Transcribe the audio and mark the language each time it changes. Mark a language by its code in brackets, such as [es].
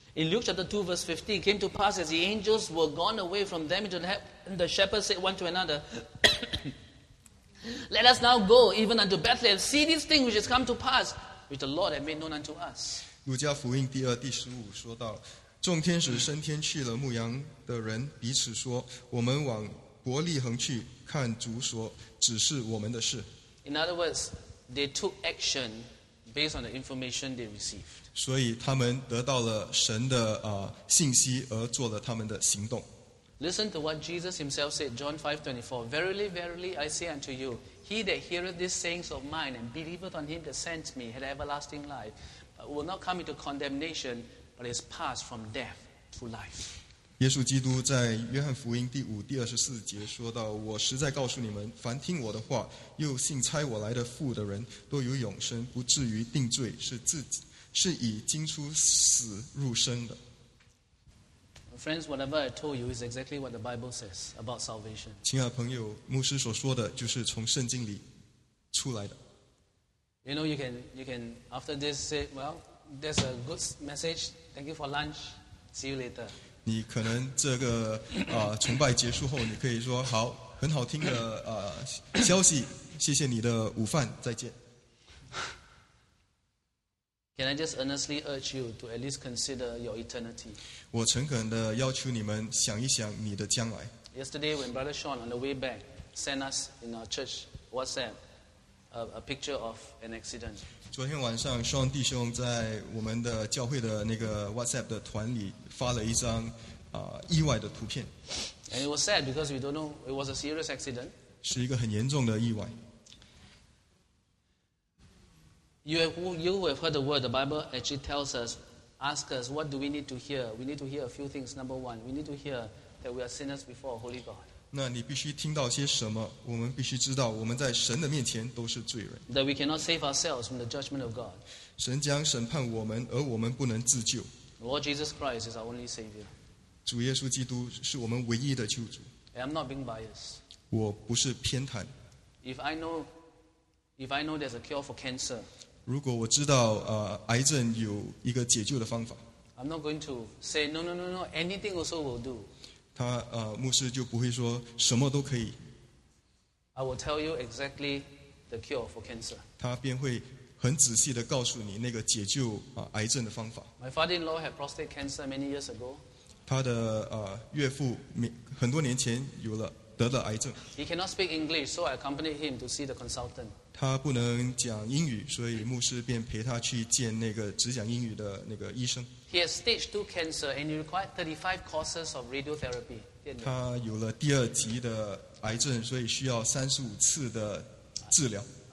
[en] In Luke chapter 2 verse 15, came to pass as the angels were gone away from them into the heaven, the shepherds said one to another, Let us now go even unto Bethlehem, see this thing which has come to pass, which the Lord had made known unto us. [zh] 路加福音第二第十五说到，众天使升天去了，牧羊的人彼此说， 我们往伯利恒去, 看主所指示我们的事。 [en] In other words, they took action based on the information they received. [zh] 所以他们得到了神的, 信息而做了他们的行动。 [en] Listen to what Jesus himself said, John 5:24. Verily, verily, I say unto you, he that heareth these sayings of mine and believeth on him that sent me had everlasting life, but will not come into condemnation, but is passed from death to life. [zh] 耶稣基督在约翰福音第五第24节说到, 我实在告诉你们, 凡听我的话, 又信差我来的父的人, 都有永生, 不至于定罪, 是自己, 是已经出死入生的。 [en] Friends, whatever I told you is exactly what the Bible says about salvation. [zh] 亲爱朋友, 牧师所说的, 就是从圣经里出来的。 [en] You know, you can after this say, well, there's a good message, thank you for lunch, see you later. [zh] 你可能这个, 崇拜结束后, 你可以说, 好, 很好听的, 消息, 谢谢你的午饭, 再见。 [en] Can I just earnestly urge you to at least consider your eternity? [zh] 我诚恳地要求你们想一想你的将来。 [en] Yesterday, when Brother Sean, on the way back, sent us in our church WhatsApp a picture of an accident. [zh] 昨天晚上, Sean 弟兄在我们的教会的那个 WhatsApp 的团里发了一张, 意外的图片。 [en] And it was sad because we don't know, it was a serious accident. [zh] 是一个很严重的意外。 [en] You have heard the word, the Bible actually tells us, ask us, what do we need to hear? We need to hear a few things. Number one, we need to hear that we are sinners before a holy God. [zh] 那你必须听到些什么? 我们必须知道我们在神的面前都是罪人。 [en] That we cannot save ourselves from the judgment of God. [zh] 神将审判我们, 而我们不能自救。 [en] Lord Jesus Christ is our only Savior. [zh] 主耶稣基督是我们唯一的救主。 [en] I'm not being biased. [zh] 我不是偏袒。 [en] If I know there's a cure for cancer, [zh] 如果我知道, 癌症有一个解救的方法, [en] I'm not going to say, no, anything also will do. [zh] 他, 牧师就不会说, 什么都可以, [en] I will tell you exactly the cure for cancer. [zh] 他便会很仔细地告诉你那个解救, 癌症的方法。 [en] My father-in-law had prostate cancer many years ago. [zh] 他的, 岳父, 很多年前有了, 得了癌症。 [en] He cannot speak English, so I accompanied him to see the consultant. [zh] 他不能讲英语, 所以牧师便陪他去见那个只讲英语的那个医生。 [en] He has stage 2 cancer and he required 35 courses of radiotherapy. [zh] 他有了第二级的癌症, 所以需要35次的治疗。